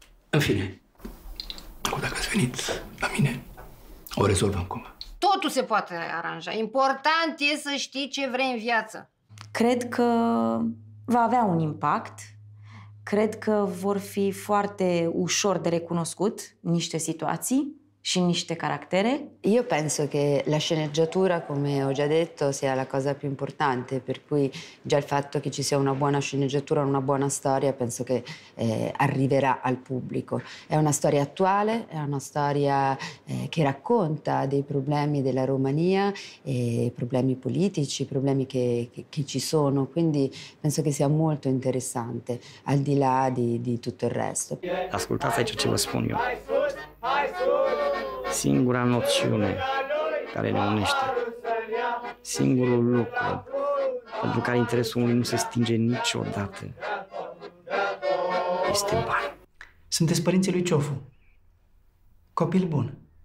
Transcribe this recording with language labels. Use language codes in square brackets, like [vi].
[ro] În fine, acum dacă ați venit la mine, o rezolvăm cum. Totul se poate aranja. Important e să știi ce vrei în viață. Cred că va avea un impact. Cred că vor fi foarte ușor de recunoscut niște situații și niște caractere. [it] Io penso che la sceneggiatura, come ho già detto, sia la cosa più importante, per cui già il fatto che ci sia una buona sceneggiatura, una buona storia, penso che arriverà al pubblico. È una storia attuale, è una storia che racconta dei problemi della Romania, e problemi politici, problemi che ci sono, quindi penso che sia molto interessante, al di là di tutto il resto. Ascoltate ciò che vi [ro] spun [it] io. [ro] Singura noțiune care ne unește, singurul lucru pentru care interesul unui nu se stinge niciodată, este bani. Sunteți părinții lui Ciofu. Copil bun.